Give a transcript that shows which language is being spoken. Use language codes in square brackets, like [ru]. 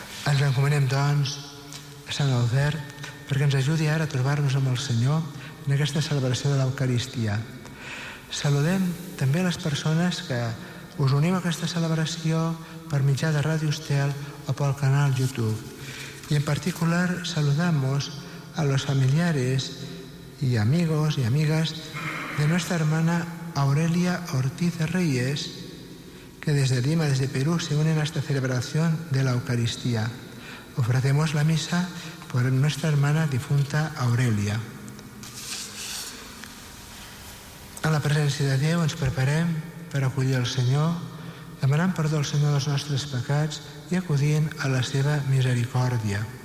[ca] Ens encomanem, doncs, a Sant Albert perquè ens ajudi ara a trobar-nos amb el Senyor en aquesta celebració de l'Eucaristia. Saludem també les persones que us uniu a aquesta celebració per mitjà de Ràdio Estel o pel canal YouTube. [es] I en particular saludamos a los familiares y amigos y amigas de nuestra hermana Aurelia Ortiz Reyes, que desde Lima, desde Perú, se unen a esta celebración de la Eucaristía. Ofrecemos la misa por nuestra hermana difunta Aurelia. [ca] En la presència de Déu ens preparem per acollir el Senyor, demanant perdó al Senyor dels nostres pecats i acudint a la seva misericòrdia.